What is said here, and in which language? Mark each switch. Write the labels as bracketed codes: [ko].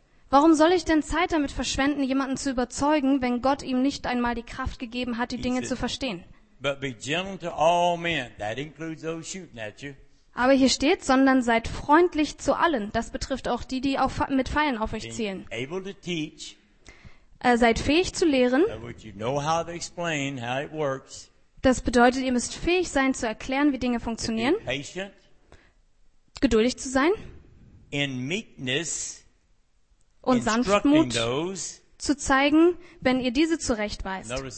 [de] Warum soll ich denn Zeit damit verschwenden, jemanden zu überzeugen, wenn Gott ihm nicht einmal die Kraft gegeben hat, die Dinge zu verstehen? [en] But be gentle to all men. That includes those shooting at you. [de] Aber hier steht, sondern seid freundlich zu allen. Das betrifft auch die, die auch mit Pfeilen auf euch zielen. [en] Able to teach. [de] Seid fähig zu lehren. [en] You know how to explain how it works. [de] Das bedeutet, ihr müsst fähig sein, zu erklären, wie Dinge funktionieren. [en] Patient. [de] Geduldig zu sein. [en] In meekness. [de] Und Sanftmut zu zeigen, wenn ihr diese zurechtweist.